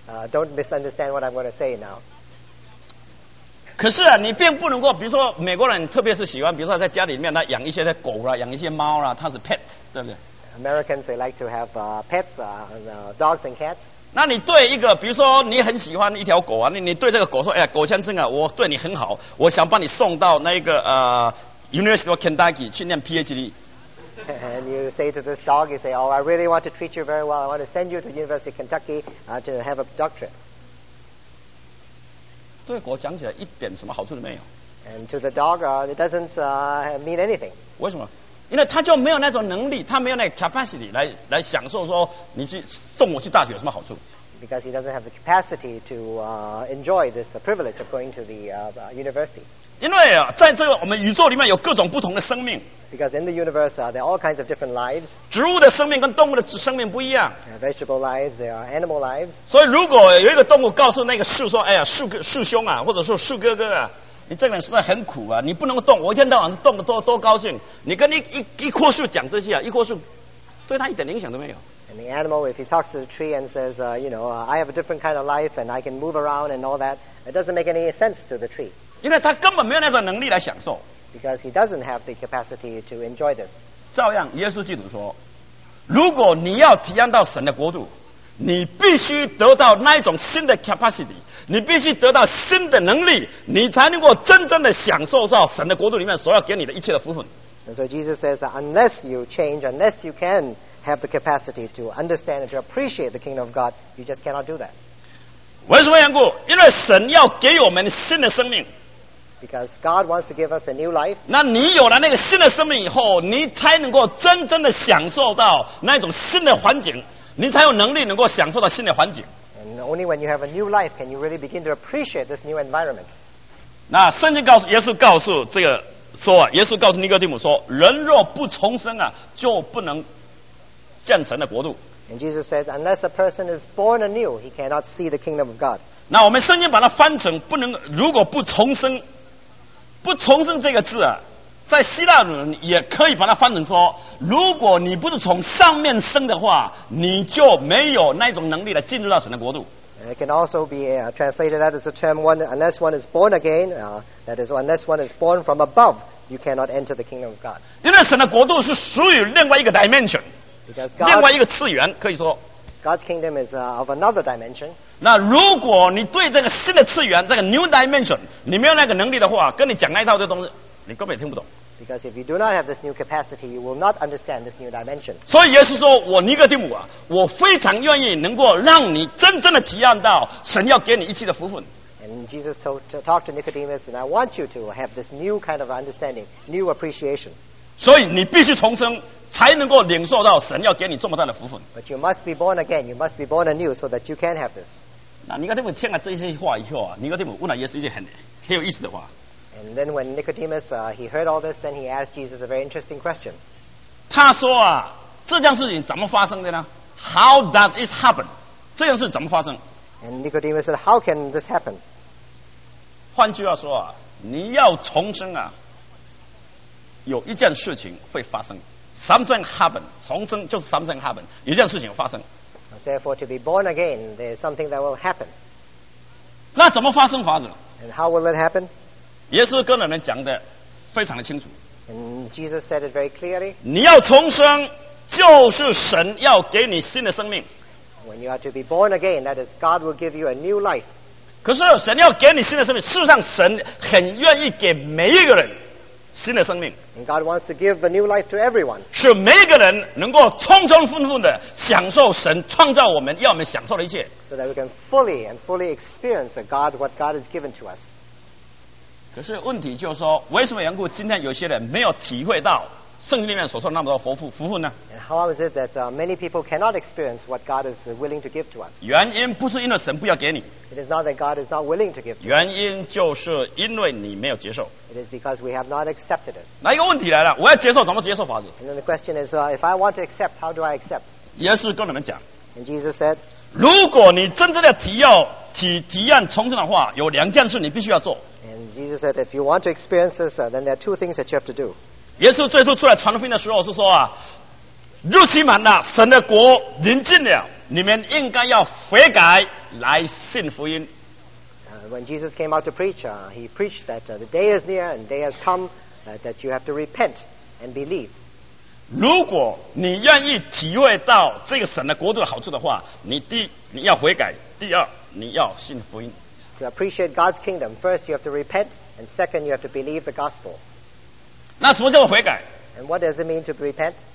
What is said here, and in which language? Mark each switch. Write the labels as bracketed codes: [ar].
[en] Don't misunderstand what I'm going to say now. [zh] 可是啊，你并不能够，比如说美国人特别是喜欢，比如说在家里面他养一些的狗啦，养一些猫啦，他是 pet， 对不对 [en] ？Americans they like to have pets, dogs and cats. [zh] 那你对一个，比如说你很喜欢一条狗啊，你对这个狗说，哎呀，狗先生啊，我对你很好，我想把你送到那个University of Kentucky 去念 PhD。 [en] And you say to this dog, you say, oh, I really want to treat you very well. I want to send you to the University of Kentucky to have a doctorate. [zh] 对我讲起来一点什么好处都没有。 [en] And to the dog, it doesn't mean anything. [zh] 为什么？因为他就没有那种能力，他没有那个 capacity 来享受说你去送我去大学有什么好处。 [en] Because he doesn't have the capacity to enjoy this privilege of going to the university. [zh] 因为啊，在这个我们宇宙里面有各种不同的生命。 [en] Because in the universe, there are all kinds of different lives. [zh] 植物的生命跟动物的生命不一样。 [en] There are vegetable lives, there are animal lives. [zh] 所以如果有一个动物告诉那个树说，哎呀，树兄啊，或者说树哥哥啊，你这个人实在很苦啊，你不能动，我一天到晚动得多高兴。你跟一棵树讲这些啊，一棵树对他一点影响都没有。 [en] And the animal, if he talks to the tree and says, I have a different kind of life and I can move around and all that, it doesn't make any sense to the tree. [zh] 因为他根本没有那种能力来享受。 [en] Because he doesn't have the capacity to enjoy this. [zh] 照样，耶稣基督说，如果你要体验到神的国度，你必须得到那一种新的 capacity， 你必须得到新的能力，你才能够真正的享受到神的国度里面所要给你的一切的福分。 [en] And so Jesus says, unless you change, unless you can have the capacity to understand and to appreciate the kingdom of God, you just cannot do that. [zh] 为什么缘故？因为神要给我们新的生命。 [en] Because God wants to give us a new life. [zh] 那你有了那个新的生命以后，你才能够真正的享受到那种新的环境，你才有能力能够享受到新的环境。 [en] And only when you have a new life can you really begin to appreciate this new environment. [zh] 那圣经告诉耶稣告诉这个说啊，耶稣告诉尼哥底母说，人若不重生啊，就不能见神的国度。 [en] And Jesus said, unless a person is born anew, he cannot see the kingdom of God. [zh] 那我们圣经把它翻成不能，如果不重生，不重生这个字啊，在希腊人也可以把它翻成说，如果你不是从上面生的话，你就没有那种能力来进入到神的国度。 [en] It can also be translated that as a term one, unless one is born again, that is, unless one is born from above, you cannot enter the kingdom of God. [zh] 因为神的国度是属于另外一个 dimension。 [en] God, [zh] 另外一个次元可以说 [en] God's kingdom is of another dimension. [zh] 那如果你对这个新的次元这个 [en] new dimension [zh] 你没有那个能力的话，跟你讲那一套这东西你根本听不懂。 [en] Because if you do not have this new capacity you will not understand this new dimension. [zh] 所以耶稣说，我尼哥底母啊，我非常愿意能够让你真正的体验到神要给你一切的福分。 [en] And Jesus talked to Nicodemus and I want you to have this new kind of understanding, new appreciation. [zh] 所以你必须重生才能够领受到神要给你这么大的福分。 [en] But you must be born again. You must be born anew so that you can have this. [zh] 那尼哥底母听了这些话以后啊，尼哥底母问了耶稣一句很有意思的话。 [en] And then when Nicodemus he heard all this, then he asked Jesus a very interesting question. [zh] 他说啊，这件事情怎么发生的呢 ？ [en] How does it happen? [zh] 这件事怎么发生 [en] ？And Nicodemus said, "How can this happen?" [zh] 换句话说啊，你要重生啊，有一件事情会发生。 [en] Something happened. [zh] 重生就是 [en] something happened. [zh] 有一件事情发生。 [en] Therefore, to be born again, there is something that will happen. [zh] 那怎么发生法子 [en] ？And how will it happen? [zh] 耶稣跟我们讲的非常的清楚。 [en] And Jesus said it very clearly. [zh] 你要重生，就是神要给你新的生命。 [en] When you are to be born again, that is God will give you a new life. [zh] 可是神要给你新的生命，事实上神很愿意给每一个人。新的生命 [en] and God wants to give a new life to everyone [zh] 使每一个人能够充充分分的享受神创造我们要我们享受的一切 [en] so that we can fully and fully experience God, what God has given to us [zh] 可是问题就是说为什么缘故今天有些人没有体会到圣经里面所说的那么多福分呢？ [en] And how is it that many people cannot experience what God is willing to give to us? [zh] 原因不是因为神不要给你。 [en] It is not that God is not willing to give to us. [zh] 原因就是因为你没有接受。 [en] It is because we have not accepted it. [zh] 那一个问题来了，我要接受怎么接受法子？ [en] And then the question is, if I want to accept, how do I accept? [zh] 耶稣跟你们讲。 [en] And Jesus said, [zh] 如果你真正的体验重生的话，有两件事你必须要做。 [en] And Jesus said, if you want to experience this, then there are two things that you have to do. [zh] 耶稣最初出来传福音的时候是说啊，日期满了，神的国临近了，你们应该要悔改来信福音。 [en] When Jesus came out to preach, he preached that the day is near and day has come, that you have to repent and believe. [zh] 如果你愿意体会到这个神的国度的好处的话，你要悔改，第二你要信福音。 [en] To appreciate God's kingdom, first you have to repent, and second you have to believe the gospel. [zh] 那什么叫做悔改？ [en] And what does it mean to repent?